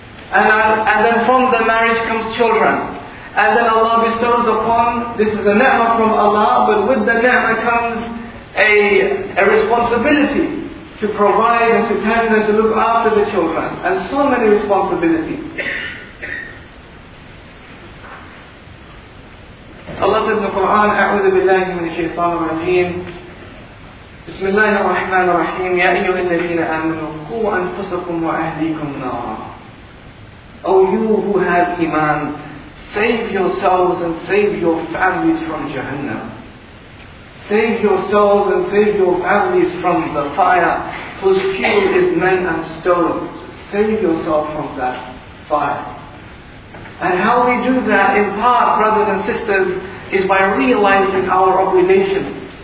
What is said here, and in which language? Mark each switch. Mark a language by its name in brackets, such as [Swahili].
[English] And then from the marriage comes children. And then Allah bestows upon, this is a ni'mah from Allah, but with the ni'mah comes a responsibility to provide and to tend and to look after the children. And so many responsibilities. Allah says in the Quran, [Arabic] أعوذ بالله من الشيطان الرجيم. بسم الله الرحمن الرحيم. يا أيها الذين آمنوا قوا أنفسكم وأهليكم نارا. [English] O you who have iman, save yourselves and save your families from Jahannam. Save yourselves and save your families from the fire whose fuel is men and stones. Save yourself from that fire. And how we do that, in part, brothers and sisters, is by realizing our obligation.